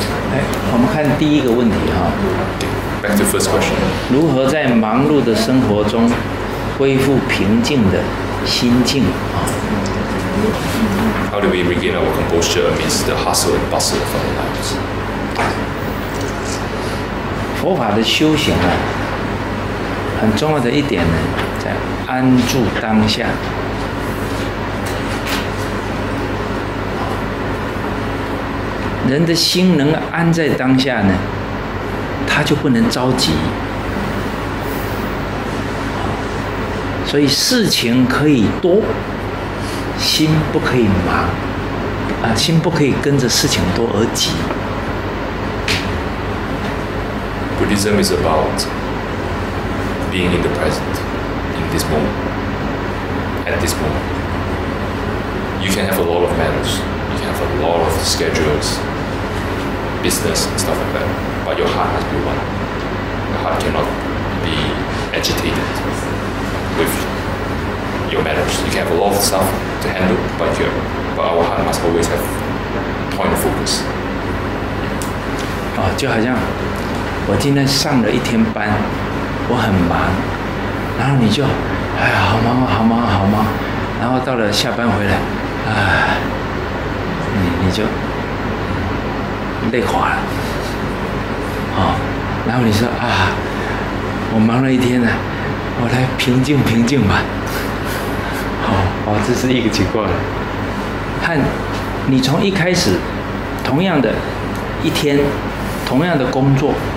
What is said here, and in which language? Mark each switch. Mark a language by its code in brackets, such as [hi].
[zh] 来，我们看第一个问题哈。 [en] Back to first question. [zh] 如何在忙碌的生活中恢复平静的心境啊 [en] ？How do we regain our composure amidst the hustle and bustle of our lives? [zh] 佛法的修行啊，很重要的一点呢，在安住当下。人的心能安在当下呢，他就不能着急。所以事情可以多，心不可以忙，啊，心不可以跟着事情多而急。 [en] Buddhism is about being in the present, in this moment, at this moment. You can have a lot of matters, you can have a lot of schedules, business and stuff like that, but your heart must be one. Your heart cannot be agitated with your matters. You can have a lot of stuff to handle, but our heart must always have point of focus. Oh, [zh] 就好像我今天上了一天班，我很忙，然后你就，哎呀，好忙啊，好忙啊，好忙，然后到了下班回来，哎，你就累垮了，哦，然后你说啊，我忙了一天呢，我来平静平静吧，哦，这是一个情况了，和你从一开始，同样的一天，同样的工作。